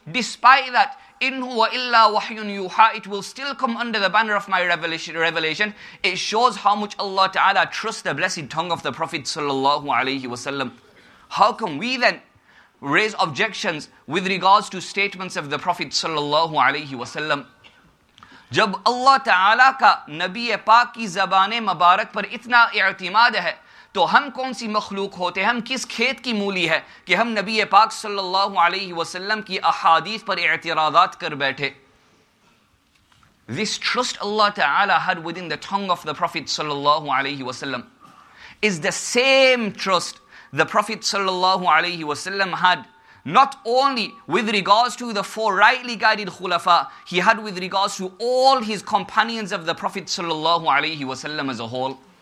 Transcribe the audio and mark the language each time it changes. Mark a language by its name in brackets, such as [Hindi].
[English] Despite that, [Arabic] إِنْهُ وَإِلَّا وَحْيٌ يُوحَى, [English] it will still come under the banner of my revelation. It shows how much Allah Ta'ala trusts the blessed tongue of the Prophet sallallahu alayhi wasallam. How can we then raise objections with regards to statements of the Prophet sallallahu alayhi wasallam? [Urdu] جب اللہ تعالیٰ کا نبی پاک کی زبان مبارک پر اتنا اعتماد ہے تو ہم کون سی مخلوق ہوتے ہیں, ہم کس کھیت کی مولی ہے کہ ہم نبی پاک صلی اللہ علیہ وسلم کی احادیث پر اعتراضات کر بیٹھے. [English] This trust Allah Ta'ala had within the tongue of the Prophet صلی اللہ علیہ وسلم is the same trust the Prophet صلی اللہ علیہ وسلم had not only with regards to the 4 rightly guided khulafa, he had with regards to all his companions of the Prophet sallallahu alayhi wa sallam as a whole.